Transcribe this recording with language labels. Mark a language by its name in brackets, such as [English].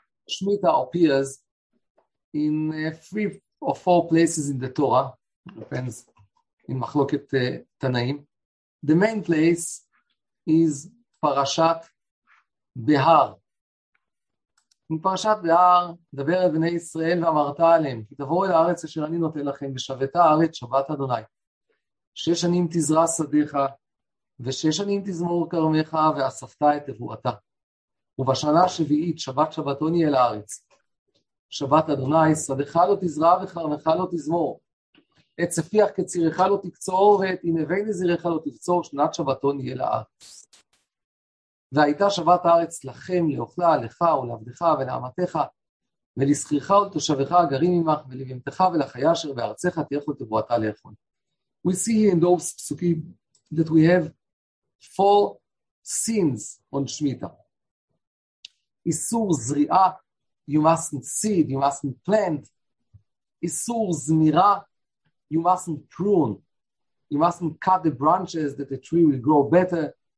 [English] Shemitah appears in three or four places in the Torah, depends, in Machloket Tanaim. The main place is Parashat Behar. [Hebrew] In Parashat Behar, דבר אל בני ישראל ואמרת עליהם, כי תבואו אל הארץ אשר אני נותן לכם, ושבת הארץ שבת אדוני. שש שנים תזרע שדיך, ושש שנים תזמור כרמך, ואספת את תבואתה. ובשנה השביעית, שבת שבתוני אל הארץ, שבת אדוני, שדך לא תזרע וכרמך לא תזמור. את צפיח כצירך לא תקצור, ואת עינבי נזירך לא תבצור, שנת שבתון יהיה לארץ. והייתה שבת הארץ לכם, לאוכלה, לך ולעבדך ולעמתך, ולשכירך ולתושביך הגרים עמך, ולבהמתך ולחיה אשר בארצך תלך ותבואתה לאכול. [English] We see in those פסוקים that we have four sins on Shemitah. [Hebrew] איסור זריעה, [English] you mustn't seed, you mustn't plant. Isur zmira, you mustn't prune. You mustn't cut the branches that the tree will grow better.